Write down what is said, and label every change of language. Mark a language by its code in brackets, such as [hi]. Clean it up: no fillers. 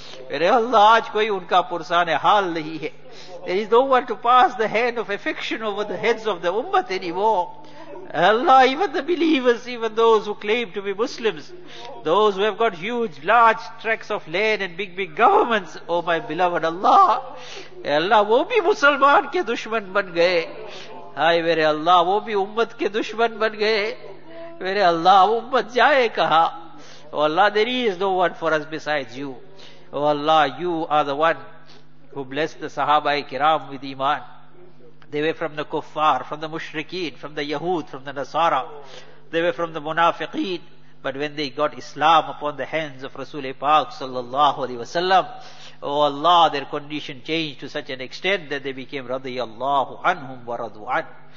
[ur] Mere Allah, aaj koi unka pursane hal nahi hai. [en] There is no one to pass the hand of affection over the heads of the ummat anymore. Allah, even the believers, even those who claim to be Muslims, those who have got huge, large tracts of land and big, big governments, oh my beloved Allah, Allah, [ur] wo bhi musalman ke dushman ban gaye. ہائے میرے اللہ وہ بھی امت کے دشمن بن گئے, میرے اللہ امت جائے کہاں. [en] Oh Allah, there is no one for us besides you. Oh Allah, you are the one who blessed the Sahaba-e-Kiram with Iman. They were from the Kuffar, from the Mushrikeen, from the Yahud, from the Nasara. They were from the Munafiqeen. But when they got Islam upon the hands of Rasul-e-Pak sallallahu alayhi wa sallam, Oh Allah, their condition changed to such an extent that they became radiyallahu anhum wa radu an.